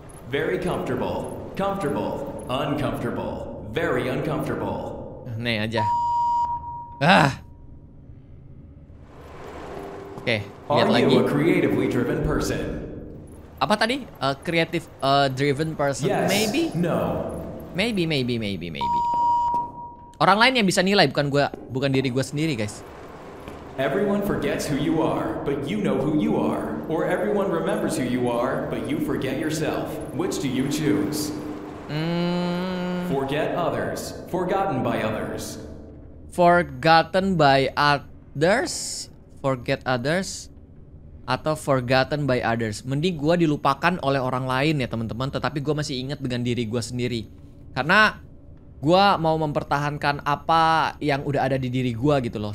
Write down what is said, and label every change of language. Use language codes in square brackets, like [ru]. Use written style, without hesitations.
[en] Very comfortable, comfortable, uncomfortable, very uncomfortable. [id] Nih aja. Oke, okay, lihat lagi. [en] Are you a creatively driven person? [id] Apa tadi? [en] A creative driven person? Yes, maybe? No. Maybe, maybe, maybe, maybe. [id] Orang lain yang bisa nilai, bukan diri gue sendiri, guys. [en] Everyone forgets who you are, but you know who you are. Or everyone remembers who you are, but you forget yourself. Which do you choose? Forget others. Forgotten by others. Forgotten by others? Forget others? Atau forgotten by others? [id] Mending gue dilupakan oleh orang lain ya teman-teman. Tetapi gue masih ingat dengan diri gue sendiri. Karena gue mau mempertahankan apa yang udah ada di diri gue gitu loh.